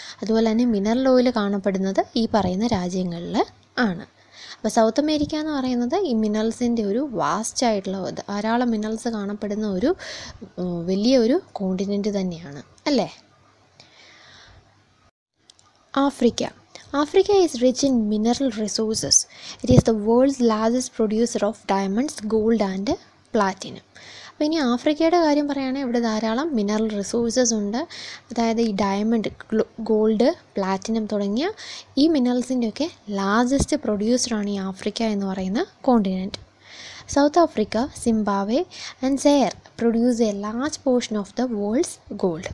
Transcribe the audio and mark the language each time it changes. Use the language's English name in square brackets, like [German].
[Malayalam] അതുപോലെ തന്നെ mineral oil കാണപ്പെടുന്നത് ഈ പറയുന്ന രാജ്യങ്ങളിൽ ആണ്. അപ്പോൾ സൗത്ത് അമേരിക്ക എന്ന് പറയുന്നത് ഈ മിനറൽസിൻ്റെ ഒരു വാസ്റ്റ് ആയിട്ടുള്ള ധാരാളം മിനറൽസ് കാണപ്പെടുന്ന ഒരു വലിയ ഒരു കോണ്ടിനെൻ്റ് തന്നെയാണ് അല്ലേ. Africa. [English] Africa is rich in mineral resources. It is the world's largest producer of diamonds, gold and platinum. [Malayalam] അപ്പോൾ ഇനി ആഫ്രിക്കയുടെ കാര്യം പറയുകയാണെങ്കിൽ ഇവിടെ ധാരാളം മിനറൽ റിസോഴ്സസ് ഉണ്ട്. അതായത് ഈ ഡയമണ്ട്, ഗോൾഡ്, പ്ലാറ്റിനം തുടങ്ങിയ ഈ മിനറൽസിൻ്റെയൊക്കെ ലാർജസ്റ്റ് പ്രൊഡ്യൂസറാണ് ഈ ആഫ്രിക്ക എന്ന് പറയുന്ന continent. [English] South Africa, Zimbabwe and Zaire produce a large portion of the world's gold.